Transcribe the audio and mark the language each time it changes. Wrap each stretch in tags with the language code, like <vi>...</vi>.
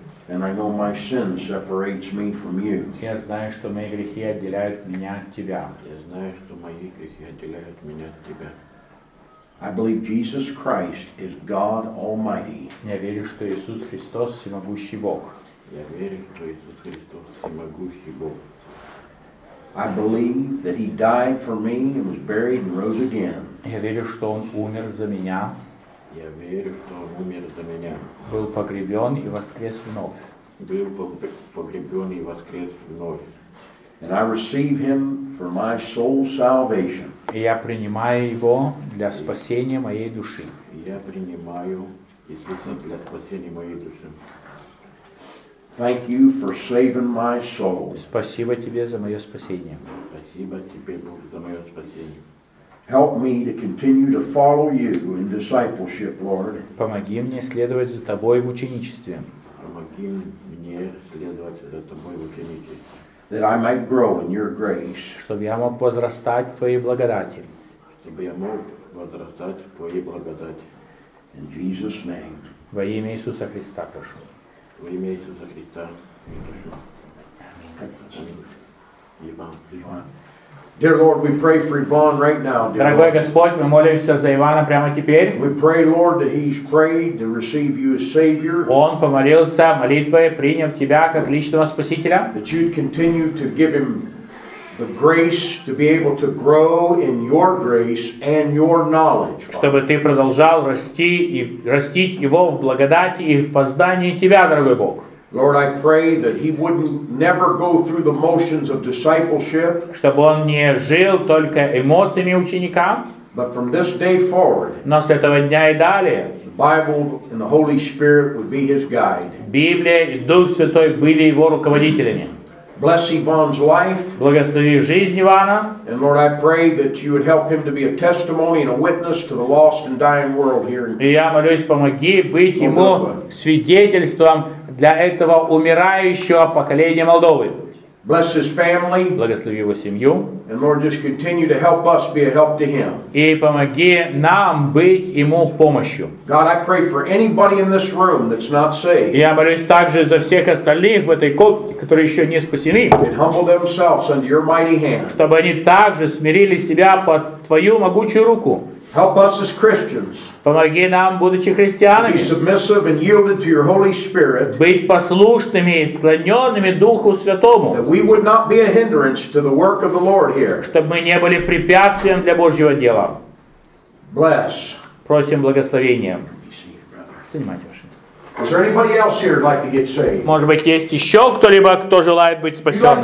<en>And I know my sin separates me from you.</en> <ru>Я знаю, что мои грехи отделяют меня от тебя. Я знаю, что мои грехи отделяют меня от тебя.</ru> <en>I believe Jesus Christ is God Almighty.</en> <ru>Я верю, что Иисус Христос всемогущий Бог. Я верю, что Иисус Христос всемогущий Бог.</ru> <en>I believe that he died for me and was buried and rose again.</en> <ru>Я верю, что он умер за меня. Я верю, что он умер за меня. Был погребен и воскрес вновь. Был погребен и воскрес вновь.</ru> <en>And I receive him for my soul's salvation.</en> <ru>И я принимаю его для спасения моей души. Я принимаю его для спасения моей души.</ru> <en>Thank you for saving my soul.</en> <ru>Спасибо тебе за моё спасение. Спасибо тебе, Бог, за моё спасение.</ru> <en>Help me to continue to follow you in discipleship, Lord.</en> <ru>Помоги мне следовать за тобой в ученичестве. Помоги мне следовать за тобой в ученичестве.</ru> <en>That I might grow in your grace.</en> <ru>Чтобы я мог возрастать в твоей благодати. Чтобы я мог возрастать в твоей благодати.</ru> <en>In Jesus name.</en> <ru>Во имя Иисуса Христа прошу. Во имя Иисуса Христа. Аминь. Иван.</ru> <en>Dear Lord, we pray for Ivan right now.</en> <ru>Дорогой Господь, мы молимся за Ивана прямо теперь.</ru> <en>We pray, Lord, that he's prayed to receive you as Savior.</en> <ru>Он помолился молитвой, приняв тебя как личного спасителя.</ru> <en>That you'd continue to give him the grace to be able to grow in your grace and your knowledge.</en> <ru>Чтобы ты продолжал расти и растить его в благодати и в познании тебя, дорогой Бог.</ru> <en>Lord, I pray that he wouldn't never go through the motions of discipleship.</en> <ru>Чтобы он не жил только эмоциями ученика.</ru> <en>But from this day forward,</en> <ru>но с этого дня и далее,</ru> <en>the Bible and the Holy Spirit would be his guide.</en> <ru>Библия и Дух Святой были его руководителями.</ru> <en>Bless Ivan's life.</en> <ru>Благослови жизнь Ивана.</ru> <en>And Lord, I pray that you would help him to be a testimony and a witness to the lost and dying world here.</en> <ru>И я молюсь, помоги быть ему свидетельством для этого умирающего поколения Молдовы.</ru> <en>Bless his family.</en> <ru>Благослови его семью.</ru> <en>And Lord, just continue to help us be a help to him.</en> <ru>И помоги нам быть ему помощью.</ru> <en>God, I pray for anybody in this room that's not saved.</en> <ru>Я молюсь также за всех остальных в этой комнате, которые еще не спасены.</ru> <en>And humble themselves under your mighty hand.</en> <ru>Чтобы они также смирили себя под твою могучую руку.</ru> <en>Help us as Christians.</en> <ru>Помоги нам, будучи христианами.</ru> <en>Be submissive and yielded to your Holy Spirit.</en> <ru>Быть послушными и склоненными Духу Святому.</ru> <en>That we would not be a hindrance to the work of the Lord here.</en> <ru>Чтобы мы не были препятствием для Божьего дела.</ru> <en>Bless.</en> <ru>Просим благословения. Занимайте ваше место.</ru> <en>Is there anybody else here who'd like to get saved?</en> <ru>Может быть, есть еще кто-либо, кто желает быть спасенным?</ru>